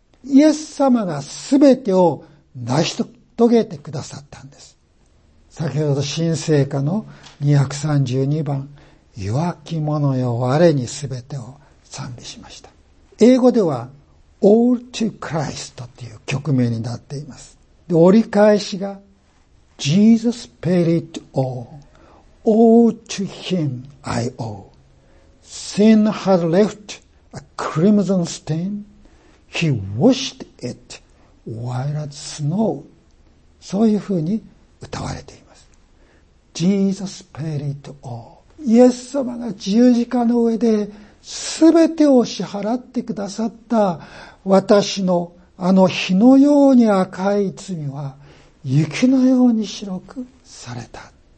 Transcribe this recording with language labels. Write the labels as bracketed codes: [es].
[ja] イエス様がすべてを成し遂げてくださったんです。先ほど新聖歌の232番、弱き者よ我にすべてを賛美しました。英語では All to Christ という曲名になっています。で、折り返しが [en] Jesus paid it all. All to him I owe. Sin had left a crimson stain. He washed it white as snow. [ja] そういうふうに歌われています。 [en] Jesus paid it all. [ja] イエス様が十字架の上で全てを支払ってくださった私のあの火のように赤い罪は雪のように白くされた。